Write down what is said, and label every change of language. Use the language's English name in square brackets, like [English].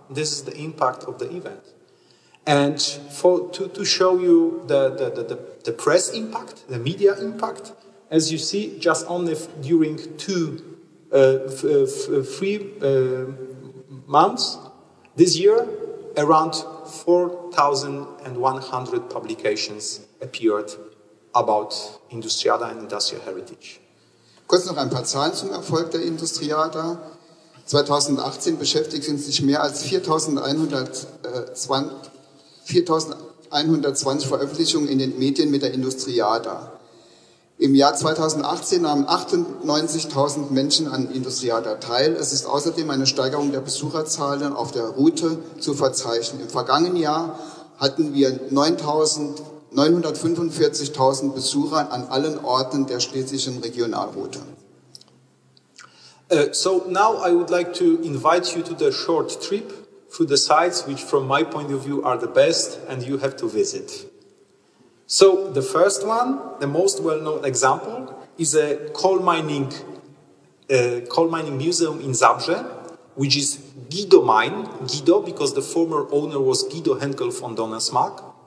[English] This is the impact of the event. And to show you the press impact, the media impact, as you see, just only during three months, this year, around 4,100 publications appeared about Industriada and industrial heritage. [German] Kurz noch ein paar Zahlen zum Erfolg der Industriada. 2018 beschäftigten sich mehr als 4.120 Veröffentlichungen in den Medien mit der Industriada. Im Jahr 2018 nahmen 98.000 Menschen an Industriada teil. Es ist außerdem eine Steigerung der Besucherzahlen auf der Route zu verzeichnen. Im vergangenen Jahr hatten wir 945.000 Besucher an allen Orten der schlesischen Regionalroute. [English] So now I would like to invite you to the short trip through the sites which from my point of view are the best and you have to visit. So the first one, the most well-known example, is a coal mining museum in Zabrze, which is Guido Mine, Guido, because the former owner was Guido Henkel von Donnersmarck.